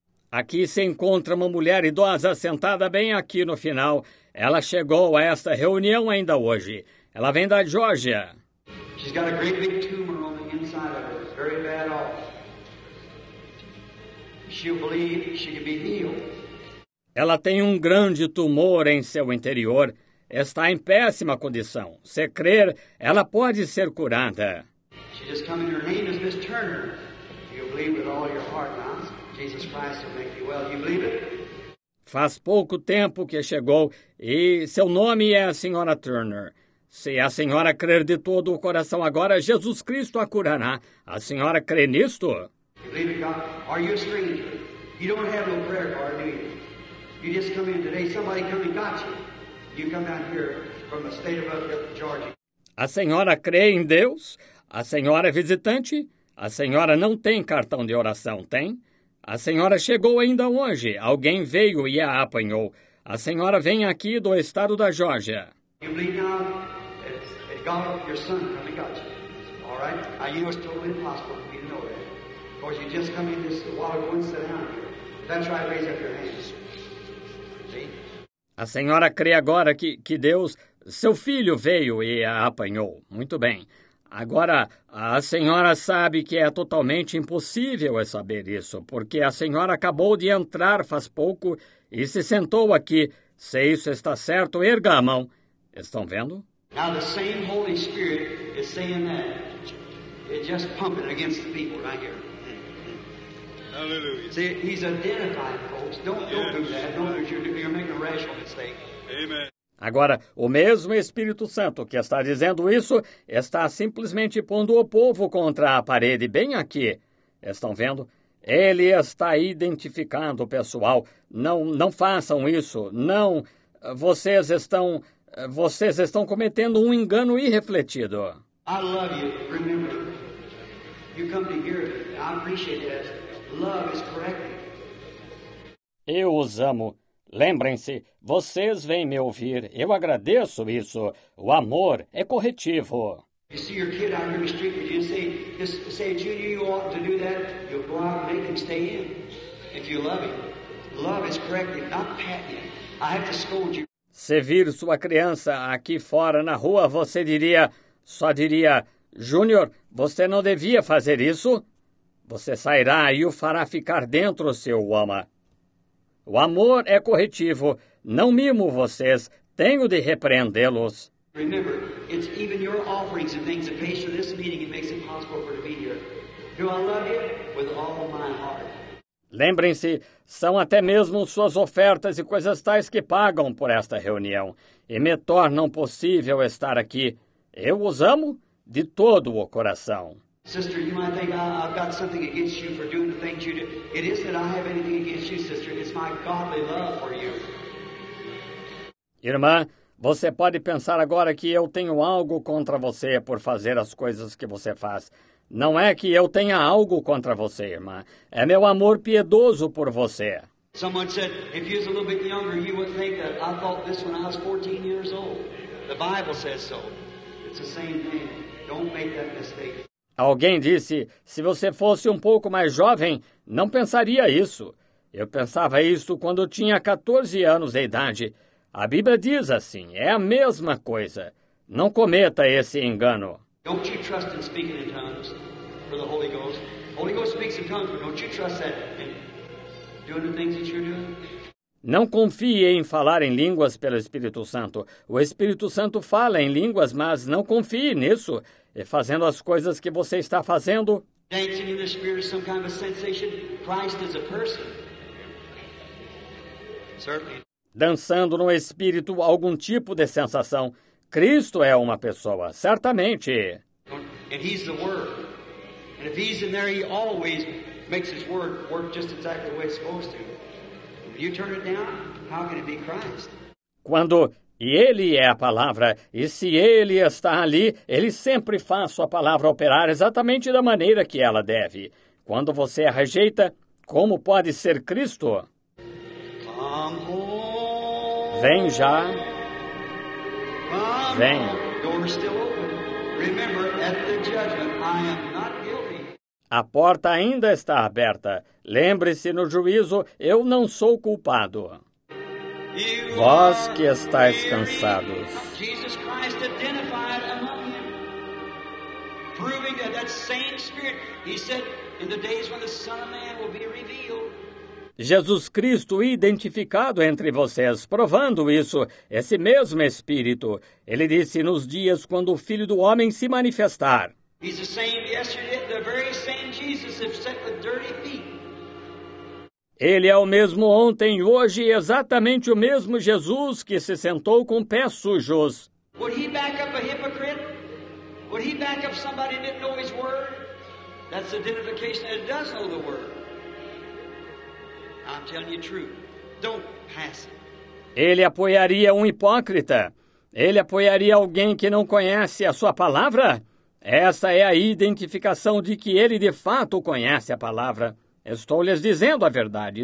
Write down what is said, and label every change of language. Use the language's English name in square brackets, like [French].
[Portuguese] Aqui se encontra uma mulher idosa sentada bem aqui no final. Ela chegou a esta reunião ainda hoje. Ela vem da Geórgia. [English] She's got a great big tumor on the inside of her. Very bad off. She'll believe she can be healed. [Portuguese] Ela tem um grande tumor em seu interior. Está em péssima condição. Se crer, ela pode ser curada. [English] She just come in. Her name is Miss Turner. You believe with all your heart now. Jesus Christ will make you well. You believe it? [Portuguese] Faz pouco tempo que chegou e seu nome é a senhora Turner. Se a senhora crer de todo o coração agora, Jesus Cristo a curará. A senhora crê nisto? [English] You believe in God? Are you a stranger? You don't have no prayer card, do you? You just come in today. Somebody come and got you. You come down here from the state of Georgia. [Portuguese] A senhora crê em Deus? A senhora é visitante? A senhora não tem cartão de oração, tem? A senhora chegou ainda hoje. Alguém veio e a apanhou. A senhora vem aqui do estado da Georgia. [English] You believe now that God, your son, come and got you. All right? I knew it was totally impossible for me to know that. Of course, you just come in this water ago and sit down. That's right, raise up your hands. See? [Portuguese] A senhora crê agora que Deus, seu filho, veio e a apanhou. Muito bem. Agora, a senhora sabe que é totalmente impossível eu saber isso, porque a senhora acabou de entrar faz pouco e se sentou aqui. Se isso está certo, erga a mão. Estão vendo? [English] Now the same Holy Spirit is saying that. It's just pumping against the people right here. Hallelujah. See, he's identified, folks. Don't do that. Don't do that. You're making a rational mistake. Amen. [Portuguese] Agora, o mesmo Espírito Santo que está dizendo isso está simplesmente pondo o povo contra a parede, bem aqui. Estão vendo? Ele está identificando o pessoal. Não façam isso. Não. Vocês estão cometendo um engano irrefletido. [English] I love you. Remember. You come to hear me. I appreciate that. Love is correcting. [Portuguese] Eu os amo. Lembrem-se, vocês vêm me ouvir. Eu agradeço isso. O amor é corretivo. [English] You see your kid out here in the street, you say, Junior, you ought to do that. You'll go out and make him stay in. If you love him. Love is corrective, not patting. I have to scold you. [Portuguese] Se vir sua criança aqui fora na rua, você diria, só diria, Junior, você não devia fazer isso. Você sairá e o fará ficar dentro, seu ama. O amor é corretivo. Não mimo vocês. Tenho de repreendê-los. [English] Remember, it's even your offerings and things that pay for this meeting and makes it possible for to be here. Do I love you with all my heart? [Portuguese] Lembrem-se, são até mesmo suas ofertas e coisas tais que pagam por esta reunião e me tornam possível estar aqui. Eu os amo de todo o coração. [English] Sister, you might think I've got something against you for doing the things you do. It isn't that I have anything against you, sister. It's my godly love for you. [Portuguese] Irmã, você pode pensar agora que eu tenho algo contra você por fazer as coisas que você faz. Não é que eu tenha algo contra você, irmã. É meu amor piedoso por você. [English] Someone said, if you was a little bit younger, you would think that. I thought this when I was 14 years old. The Bible says so. It's the same thing. Don't make that mistake. [Portuguese] Alguém disse, se você fosse um pouco mais jovem, não pensaria isso. Eu pensava isso quando tinha 14 anos de idade. A Bíblia diz assim, é a mesma coisa. Não cometa esse engano. [English] Don't you trust in speaking in tongues for the Holy Ghost? Holy Ghost speaks in tongues, but don't you trust that in doing the things that you're doing? [Portuguese] Não confie em falar em línguas pelo Espírito Santo. O Espírito Santo fala em línguas, mas não confie nisso. E fazendo as coisas que você está fazendo. [English] Dancing in the spirit is some kind of a sensation. Christ is a person. Certainly. [Portuguese] Dançando no Espírito, algum tipo de sensação. Cristo é uma pessoa, certamente. [English] And he's the word. And if he's in there, he always makes his word work just exactly the way it's supposed to. You turn it down, how can it be Christ? [Portuguese] Quando ele é a palavra, e se ele está ali, ele sempre faz sua palavra operar exatamente da maneira que ela deve. Quando você a rejeita, como pode ser Cristo? [English] Come home. [Portuguese] Vem já. [English] Come [Portuguese] vem. [English] Door still open. Remember, at the judgment, I am not guilty. [Portuguese] A porta ainda está aberta. Lembre-se, no juízo, eu não sou culpado. Vós que estáis cansados. [English] Jesus Christ identified among them, proving that that same Spirit, he said, in the days when the Son of Man will be revealed. [Portuguese] Jesus Cristo identificado entre vocês, provando isso, esse mesmo Espírito. Ele disse nos dias quando o Filho do Homem se manifestar. [English] He's the same yesterday, the very same Jesus except with dirty feet. [Portuguese] Ele é o mesmo ontem, hoje, exatamente o mesmo Jesus que se sentou com pés sujos. [English] Would he back up a hypocrite? Would he back up somebody that didn't know his word? That's identification that does know the word. I'm telling you the truth. Don't pass it. [Portuguese] Ele apoiaria um hipócrita? Ele apoiaria alguém que não conhece a sua palavra? Essa é a identificação de que ele de fato conhece a palavra. Estou lhes dizendo a verdade.